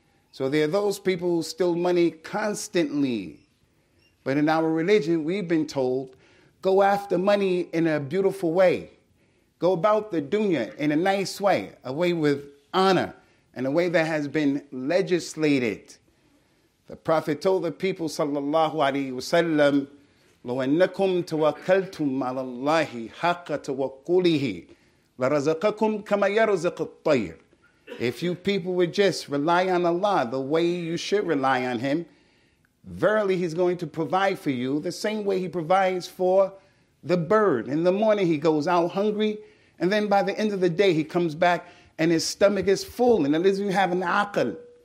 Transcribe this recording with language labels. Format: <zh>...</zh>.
<en>So there are those people who steal money constantly. But in our religion, we've been told, go after money in a beautiful way. Go about the dunya in a nice way, a way with honor, and a way that has been legislated. The Prophet told the people,</en> <ar>sallallahu alayhi wa sallam, لو أنكم توكلتم على الله حق توكله لرزقكم كما يرزق الطير.</ar> <en>If you people would just rely on Allah the way you should rely on Him, verily He's going to provide for you the same way He provides for the bird. In the morning he goes out hungry, and then by the end of the day he comes back and his stomach is full, and at least you have an aql.</en>